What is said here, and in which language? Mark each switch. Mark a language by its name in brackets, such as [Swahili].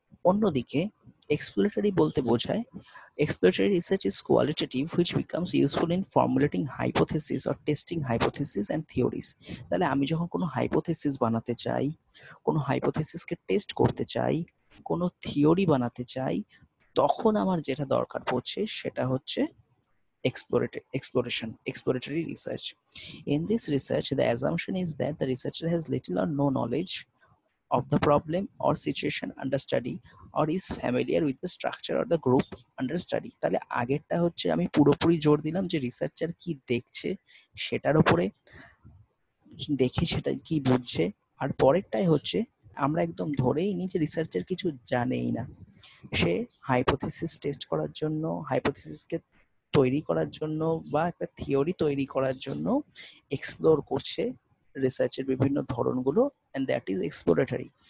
[Bangla] অন্যদিকে এক্সপ্লোরেটরি বলতে বোঝায় [English] Exploratory research is qualitative which becomes useful in formulating hypothesis or testing hypothesis and theories. [Bangla] তাহলে আমি যখন কোনো হাইপোথেসিস বানাতে চাই, কোনো হাইপোথেসিসকে টেস্ট করতে চাই, কোনো থিওরি বানাতে চাই, তখন আমার যেটা দরকার পড়ছে সেটা হচ্ছে exploratory research. [English] In this research the assumption is that the researcher has little or no knowledge of the problem or situation under study or is familiar with the structure or the group under study. [Bangla] তাহলে আগেরটা হচ্ছে আমি পুরোপুরি জোর দিলাম যে researcher কি দেখছে সেটার উপরে, দেখে সেটা কি বুঝছে, আর পরেরটাই হচ্ছে আমরা একদম ধরেই নিই যে রিসার্চার কিছু জানেই না, সে হাইপোথিসিস টেস্ট করার জন্য, হাইপোথিসিসকে তৈরি করার জন্য বা একটা থিওরি তৈরি করার জন্য এক্সপ্লোর করছে রিসার্চের বিভিন্ন ধরনগুলো, [English] And that is exploratory.